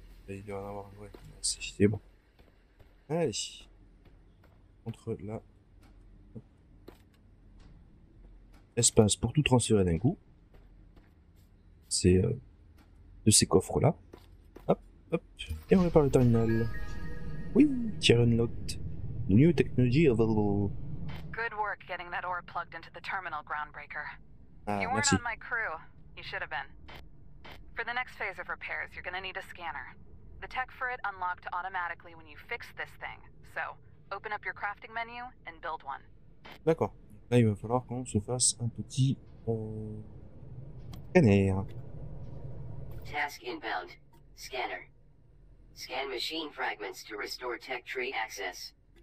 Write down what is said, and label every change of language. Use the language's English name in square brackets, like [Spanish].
[French] Il doit en avoir, ouais, c'est bon. Allez, entre là, espace pour tout transférer d'un coup. C'est de ces coffres là. Hop, hop, et on répare le terminal. [English] Oui, tier unlocked. New technology available. Good work getting that ore plugged into the terminal, Groundbreaker. Ah, You weren't on [French] merci. [English] my crew. You should have been. For the next phase of repairs, you're gonna need a scanner. The tech for it unlocked automatically when you fix this thing. So, open up your crafting menu and build one. [French] D'accord. Là, il va falloir qu'on se fasse un petit scanner. [English] Task inbound. Scanner. Scan machine fragments to restore tech tree access.